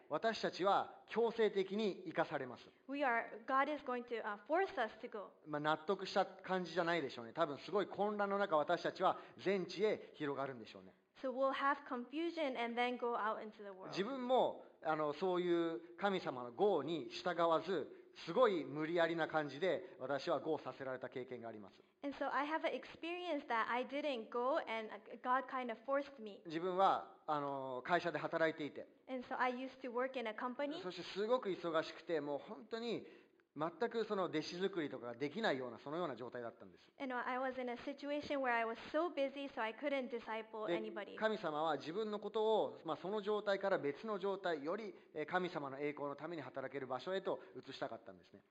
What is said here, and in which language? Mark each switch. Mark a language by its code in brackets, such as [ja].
[ja] 私たちは強制的に生かされます。 [en] We are, God is going to force us to go. [ja] まあ納得した感じじゃないでしょうね。多分すごい混乱の中私たちは全地へ広がるんでしょうね。 [en] So we'll have confusion and then go out into the world. [ja] 自分もあのそういう神様の Go に従わず、すごい無理やりな感じで私は Go させられた経験があります。 [en] And so I have an experience that I didn't go and God kind of forced me. [ja] 自分はあの会社で働いていて、 [en] And so I used to work in a company. [ja] そしてすごく忙しくて、もう本当に全くその弟子作りとかができないような、そのような状態だったんです。 [en] And I was in a situation where I was so busy, so I couldn't disciple anybody. [ja] 神様は自分のことを、まあ、その状態から別の状態、より神様の栄光のために働ける場所へと移したかったんですね。